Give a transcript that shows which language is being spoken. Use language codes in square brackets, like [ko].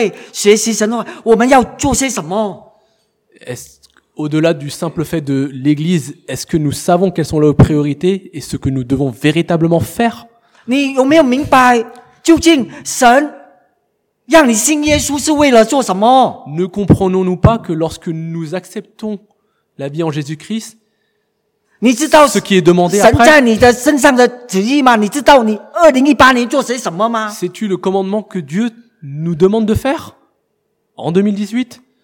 [zh] 这就是我以父的事为念。今天我们来教会，我们有没有为到我们为什么要来教会？除了这个的智慧学习神的话，我们要做些什么 [fr] ？Au-delà du simple fait de l'Église, est-ce que nous savons quelles sont nos priorités et ce que nous devons véritablement faire？ [zh] 你有没有明白？究竟神让你信耶稣是为了做什么？ [fr] Ne comprenons-nous pas que lorsque nous acceptons la vie en Jésus-Christ, [zh] 你知道 [fr] ce qui est demandé après, [zh] 神在你的身上的旨意吗？你知道你2018年做些什么吗？ [fr] Sais-tu le commandement que Dieu nous demande de faire en 2018?